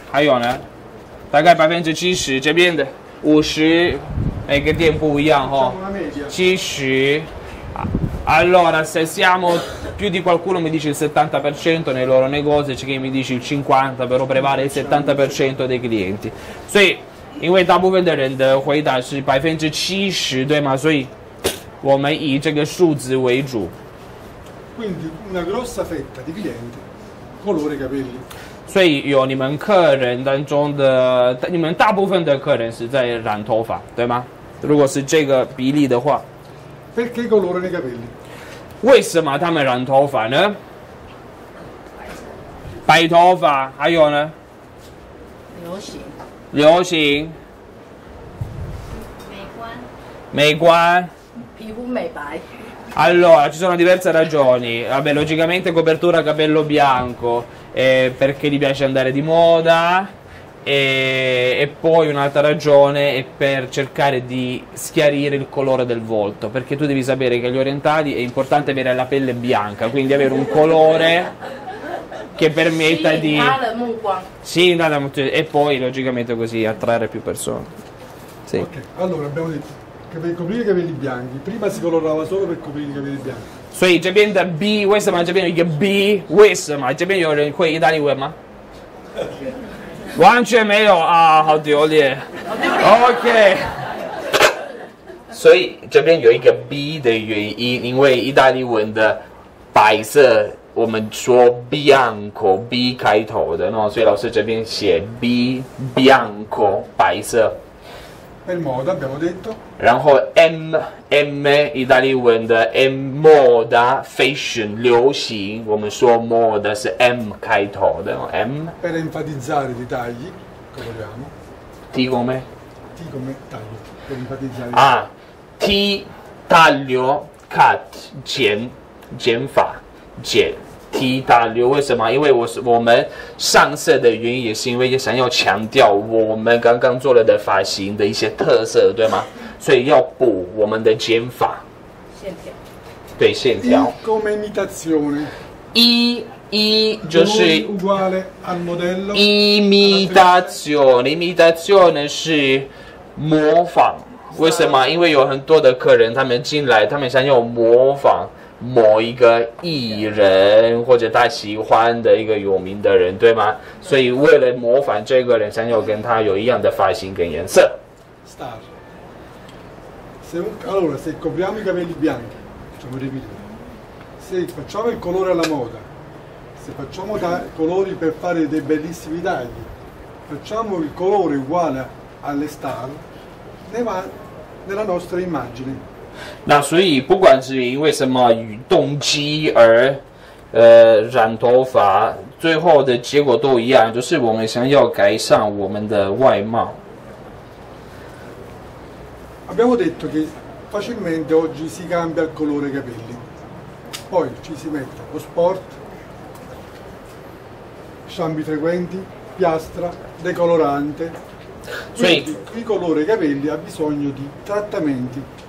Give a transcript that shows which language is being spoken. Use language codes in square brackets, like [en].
[zh] 还有呢，大概70%这边的50%，每个店不一样哈。 [it] 70%，allora se siamo più di qualcuno mi dice il 70% nei loro negozi, c'è chi mi dice il 50%, però prevale il 70% dei clienti. [zh] 所以，因为大部分的人的回答是70%，对吗？所以，我们以这个数字为主。 [it] Quindi una grossa fetta di clienti. Colore capelli. [zh] 所以有你们客人当中的，你们大部分的客人是在染头发，对吗？如果是这个比例的话。 [it] Perché colorano i capelli? [zh] 为什么他们染头发呢？白头发，还有呢？流行。美观。皮肤美白。 [it] Allora, ci sono diverse ragioni. Vabbè, logicamente copertura capello bianco, perché gli piace andare di moda, e poi un'altra ragione è per cercare di schiarire il colore del volto, perché tu devi sapere che agli orientali è importante avere la pelle bianca, quindi avere un colore che permetta di... Sì, andare molto. Sì, e poi logicamente così attrarre più persone. Sì. Ok, allora abbiamo detto... Per coprire i capelli bianchi, prima si colorava solo per coprire i capelli bianchi. [zh] 所以这边的 B 为什么这边有一个 B 为什么这边有人会意大利文吗？完全没有啊，好丢脸。OK。所以这边有一个 B 的原因，因为意大利文的白色，我们说 bianco B 开头的，那所以老师这边写 B bianco 白色。 [it] Per moda abbiamo detto. [zh] 然后 M 意大利文的 M moda fashion 流行，我们说 moda 是 M 开头的 M. [it] Per enfatizzare i tagli, come vogliamo? T come? T come taglio. Per enfatizzare. [zh] Ah, T taglio cut 减法减。 T 大流为什么？因为我们上色的原因也是因为也想要强调我们刚刚做了的发型的一些特色，对吗？所以要补我们的剪法线条，对线条。 [it] Come imitazione. [zh] I 就是 [it] uguale al modello. [zh] Imitazione 是模仿。为什么？因为有很多的客人他们进来，他们想要模仿。某一个艺人或者他喜欢的一个有名的人，对吗？所以为了模仿这个人，想要跟他有一样的发型跟颜色。 [it] Star. Se un allora se copriamo i capelli bianchi, facciamo ripetere. Se facciamo il colore alla moda, se facciamo colori per fare dei bellissimi tagli, facciamo il colore uguale alle star, ne va nella nostra immagine. [zh] 那所以不管是因为什么与动机而染头发，最后的结果都一样，就是我们想要改善我们的外貌。 [it] Abbiamo detto che facilmente oggi si cambia il colore dei capelli. Poi ci si mette lo sport, shampoo frequenti, piastra, decolorante. Quindi il colore dei capelli ha bisogno di trattamenti.